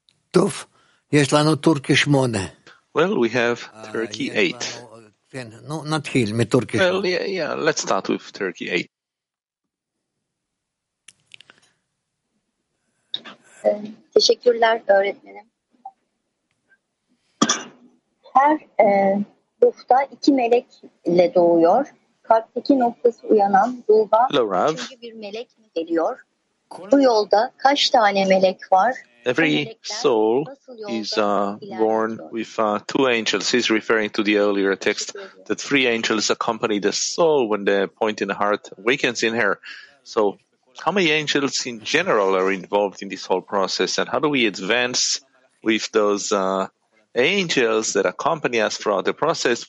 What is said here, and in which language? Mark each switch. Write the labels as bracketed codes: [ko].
[he] טוב, יש לנו טורקי 8. [en] Well, we have Turkey 8. [he] כן, נו, נתחיל מטורקי 8. [en] Well, yeah, let's start with Turkey 8. [tr] Teşekkürler öğretmenim. Her ruhta iki melekle doğuyor. Kalpteki noktası uyanan ruhda üçüncü bir melek mi geliyor? Bu yolda kaç tane melek var? [en] Every soul is born with two angels. He's referring to the earlier text that three angels accompany the soul when the point in the heart awakens in her. So how many angels in general are involved in this whole process, and how do we advance with those angels that accompany us throughout the process?